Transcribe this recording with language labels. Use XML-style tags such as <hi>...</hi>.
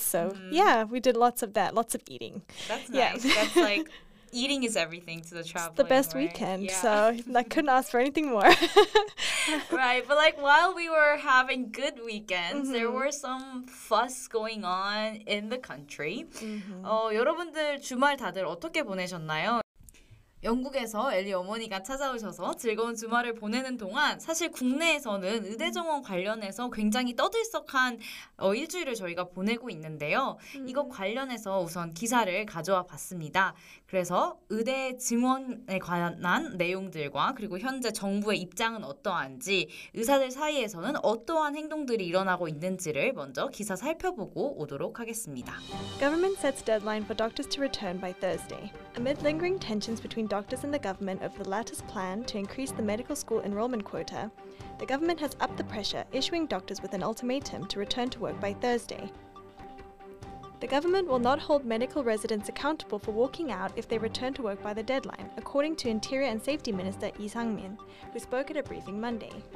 <en>So yeah, we did lots of that. Lots of eating. That's nice. That's like... Eating is everything to the traveling. It's the best weekend, yeah. So I couldn't ask for anything more. Right, but like while we were having good weekends, mm-hmm. there were some fuss going on in the country. Mm-hmm.</en> <ko>여러분들 주말 다들 어떻게 보내셨나요? 영국에서 엘리 어머니가 찾아오셔서 즐거운 주말을 보내는 동안 사실 국내에서는 의대정원 관련해서 굉장히 떠들썩한 일주일을 저희가 보내고 있는데요. 이거 관련해서 우선 기사를 가져와 봤습니다. 그래서 의대 증원에 관한 내용들과 그리고 현재 정부의 입장은 어떠한지 의사들 사이에서는 어떠한 행동들이 일어나고 있는지를 먼저 기사 살펴보고 오도록 하겠습니다.</ko> <en>Government sets deadline for doctors to return by Thursday. Amid lingering tensions between doctors and the government over the latter's plan to increase the medical school enrollment quota, the government has upped the pressure, issuing doctors with an ultimatum to return to work by Thursday. The government will not hold medical residents accountable for walking out if they return to work by the deadline, according to Interior and Safety Minister Lee Sang-min, who spoke at a briefing Monday.</en>